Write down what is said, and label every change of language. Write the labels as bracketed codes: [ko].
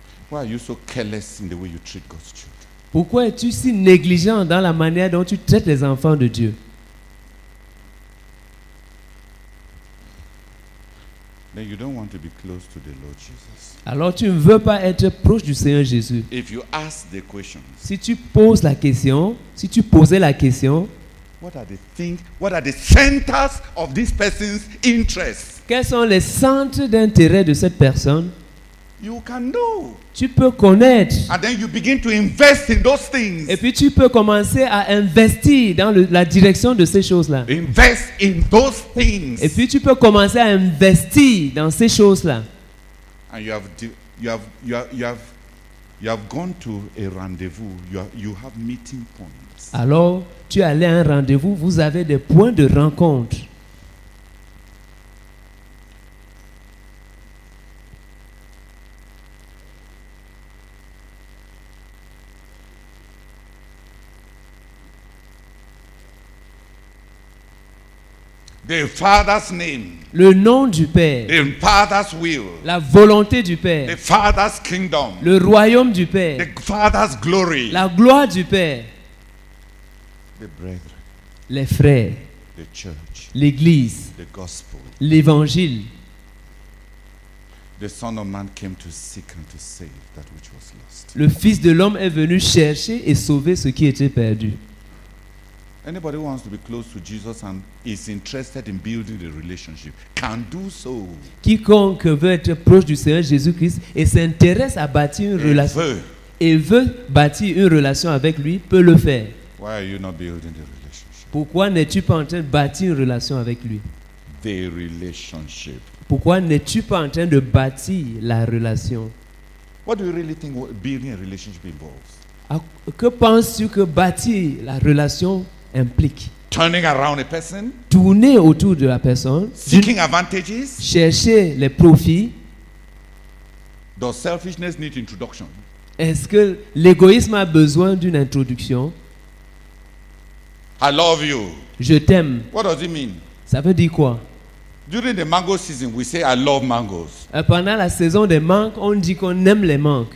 [en] Why are you so careless in the way you treat God's children? [fr] Pourquoi es-tu si négligent dans la manière dont tu traites les enfants de Dieu? [en] Then you don't want to be close to the Lord Jesus. [fr] Alors tu ne veux pas être proche du Seigneur Jésus. [en] If you ask the question, [fr] si tu poses la question, si tu posais la question, [en] what are the things, what are the centers of this person's interest? [fr] Quels sont les centres d'intérêt de cette personne? [en] You can know. [fr] Tu peux connaître. [en] And then you begin to invest in those things. [fr] Et puis tu peux commencer à investir dans la direction de ces choses-là. [en] Invest in those things. [fr] Et puis tu peux commencer à investir dans ces choses-là. [en] And you have gone to a rendezvous. You have meeting points. [fr] Alors, tu es allé à un rendez-vous, vous avez des points de rencontre. [en] The Father's name. [fr] Le nom du Père. [en] The Father's will. [fr] La volonté du Père. [en] The Father's kingdom. [fr] Le royaume du Père. [en] The Father's glory. [fr] La gloire du Père. [en] The brethren. [fr] Les frères. [en] The church. [fr] L'église. [en] The gospel. [fr] L'évangile. [en] The Son of Man came to seek and to save that which was lost. [fr] Le Fils de l'homme est venu chercher et sauver ce qui était perdu. [en] Anybody who wants to be close to Jesus and is interested in building the relationship can do so. [fr] Quiconque veut être proche du Seigneur Jésus-Christ et s'intéresse à bâtir une relation et veut bâtir une relation avec lui peut le faire. [en] Why are you not building the relationship? [fr] Pourquoi n'es-tu pas en train de bâtir une relation avec lui? [en] The relationship. [fr] Pourquoi n'es-tu pas en train de bâtir la relation? [en] What do you really think building a relationship involves? [fr] Que penses-tu que bâtir la relation implique? [en] Turning around a person, [fr] tourner autour de la personne, [en] seeking advantages, [fr] chercher les profits. [en] Does selfishness need introduction? [fr] Est-ce que l'égoïsme a besoin d'une introduction? [en] I love you. [fr] Je t'aime. [en] What does it mean? [fr] Ça veut dire quoi? [en] During the mango season, we say I love mangoes. [fr] Pendant la saison des mangues, on dit qu'on aime les mangues.